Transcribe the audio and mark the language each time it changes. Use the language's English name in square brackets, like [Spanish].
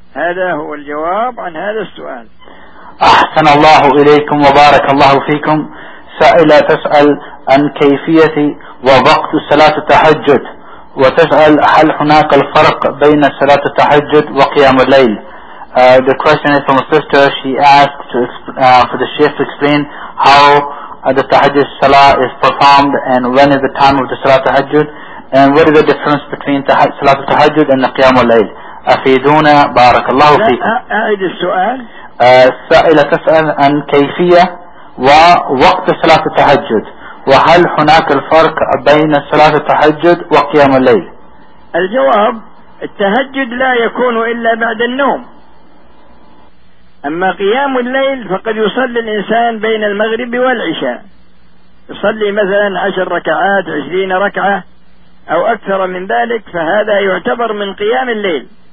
[Arabic] هذا هو الجواب عن هذا السؤال. أحسن الله إليكم وبارك الله فيكم. سائلة تسأل عن كيفية ووقت صلاة التهجد، وتسأل هل هناك الفرق بين صلاة التهجد وقيام الليل. [English] The question is from a sister. She asked to, for the Sheikh to explain how the tahajjud salah is performed and when is the time of the salah tahajjud and what is the difference between salah tahajjud and the qiyam al-layl. [Arabic] أفيدونا بارك الله فيكم. أعيد السؤال. سائلة تسأل عن كيفية ووقت صلاة التهجد وهل هناك الفرق بين صلاة التهجد وقيام الليل. الجواب: التهجد لا يكون إلا بعد النوم، أما قيام الليل فقد يصلي الإنسان بين المغرب والعشاء، يصلي مثلا 10 ركعات 20 ركعة أو أكثر من ذلك، فهذا يعتبر من قيام الليل.